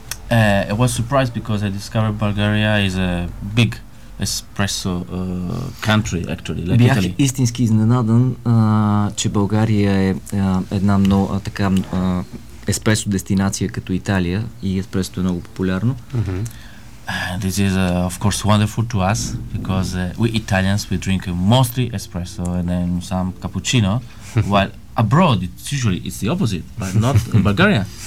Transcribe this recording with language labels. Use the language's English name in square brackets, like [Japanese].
[English] I was surprised because I discovered Bulgaria is a big espresso country, actually, like [Bulgarian] Бях [English] Italy. [Bulgarian] Истински изненадан, че България е една много така еспресо дестинация като Италия и еспресото е много популярно. [English] This is of course wonderful to us because we Italians we drink mostly espresso and then some cappuccino while abroad it's usually it's the opposite, but not in Bulgaria.